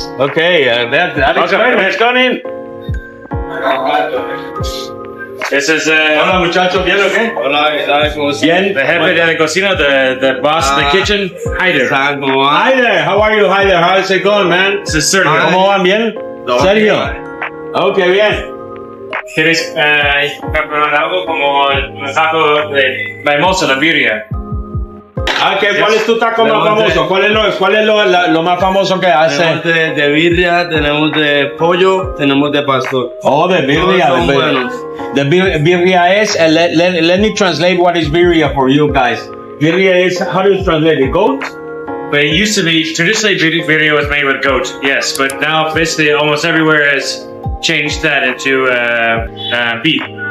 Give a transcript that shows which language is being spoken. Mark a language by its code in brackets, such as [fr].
[en] Okay, that's going in. This is... [es] Hola, muchachos. Bien, okay? Hola, [en] bien. The head of the cocina, the boss of the kitchen. Hi there. Hi there. How are you? Hi there. How is it going, man? This is Sir. [es] ¿Cómo van bien? Sergio. Okay, bien. ¿Quieres preparar algo como el taco de la hermosa, la birria? Okay, ¿cuál es tu taco más famoso? ¿Cuál es lo más famoso que hace? Tenemos de birria, tenemos de pollo, tenemos de pastor. Oh, de birria, son de birria. [en] The birria is, and let me translate what is birria for you guys. Birria is, how do you translate it, goat? But it used to be, traditionally birria was made with goat, yes. But now basically almost everywhere has changed that into beef.